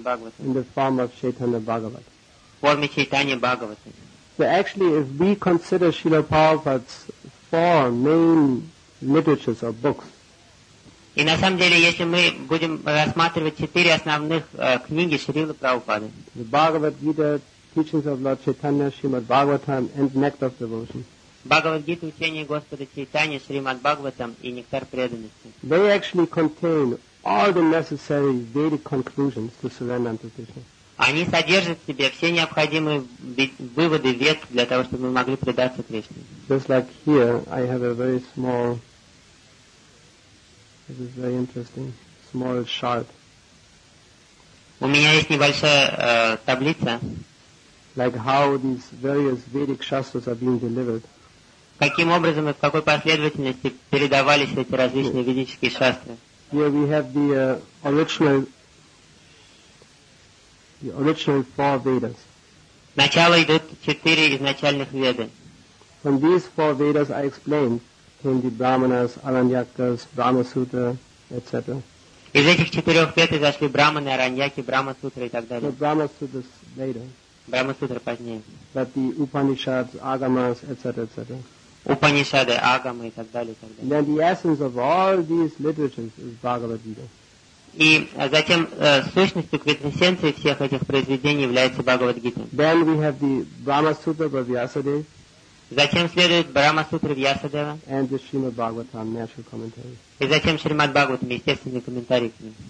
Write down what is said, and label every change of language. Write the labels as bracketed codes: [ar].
[ru] Бхагаватам в форме Чайтанья Бхагаватам. [en] So actually, if we consider Srila Prabhupada's four main literatures or books, [ru] и на самом деле, если мы будем рассматривать четыре основных книги Шрилы Прабхупады, [en] Бхагавад-гита, teachings of Lord Chaitanya, Shrimad Bhagavatam, and Nectar of Devotion. [ru] Бхагавад-гита, учение Господа Чайтанья, Шримад Бхагаватам и Нектар преданности. [en] They actually contain all the necessary Vedic conclusions to surrender unto Krishna. [ru] Они содержат в себе все необходимые выводы вед для того, чтобы мы могли предаться Кришне. [en] Just like here, I have a very small. This is very interesting. Small chart. [ru] У меня есть небольшая таблица. [en] Like how these various Vedic shastras are being delivered. [ru] Каким образом и в какой последовательности передавались эти различные ведические шастры? [en] Here we have the original four Vedas. [ru] Начало идут четыре изначальных Веды. [en] From these four Vedas, I explained. Came the Brahmanas, Aranyakas, Brahma Sutra, etc. [ru] Из этих четырех вет зашли Брахманы, Араньяки, Брахма Сутра и так далее. [en] So Brahma Sutras later. [ru] Брахма Сутра позднее. [en] But the Upanishads, Agamas, etc., etc. [ru] Упанишады, Агамы и так далее, и так далее. [en] Then the essence of all these literatures is Bhagavad Gita. [ru] И затем сущностью, квинтэссенцией всех этих произведений является Бхагавад Гита. [en] Then we have the Brahma Sutra by Vyasadeva. [ru] Затем следует Брахма-сутра Вьясадева. [en] And the Srimad Bhagavatam, natural commentary. [ru] И затем Шримад Бхагаватам, естественный комментарий к ним.